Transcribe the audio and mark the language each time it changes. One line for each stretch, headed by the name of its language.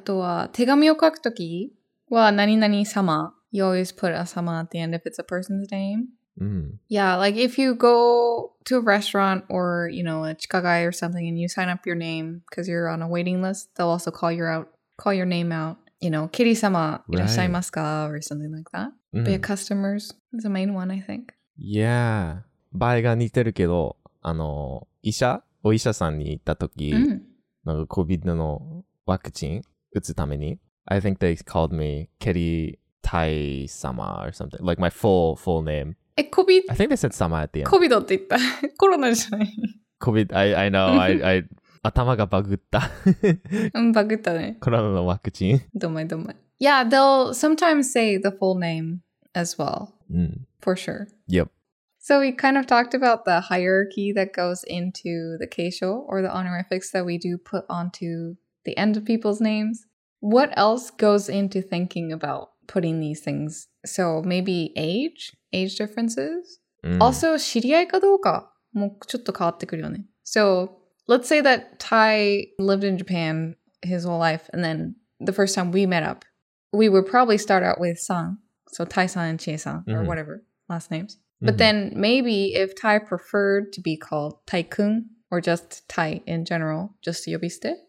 Japanese: お客様とか、あとは手紙を書くときは何々様。
English: You always put a 様 at the end if it's a person's name. Mm. Yeah, like if you go to a restaurant or, you know, a chikagai or something and you sign up your name because you're on a waiting list, they'll also call your name out. You know,
Japanese: Kiri-sama, いらっしゃいますか?
English: Or something like that. Mm. But your customers is the main one, I think. Yeah.
Japanese: 場合が似てるけど、 あの、医者、お医者さんに行った時、なんかCOVIDのワクチン打つために、
English: I think they called me Keri Tai-sama or something. Like my full name. COVID? I think they said sama at the end.
Japanese: COVIDって言った。コロナじゃない。
English: COVID, I know. I
Japanese: 頭がバグった。バグったね。コロナのワクチン。どんまいどんまい。
English: Yeah, they'll sometimes say the full name as well. Mm. For sure. Yep. So we kind of talked about the hierarchy that goes into the keisho or the honorifics that we do put onto the end of people's names. What else goes into thinking about putting these things? So maybe age differences? Mm. Also,
Japanese: 知り合いかどうかもちょっと変わってくるよね。
English: So let's say that Tai lived in Japan his whole life and then the first time we met up, we would probably start out with san. So Tai-san and Chie-san mm-hmm. or whatever last names. But mm-hmm. then maybe if Tai preferred to be called Tai-kun or just Tai in general, just yobiste,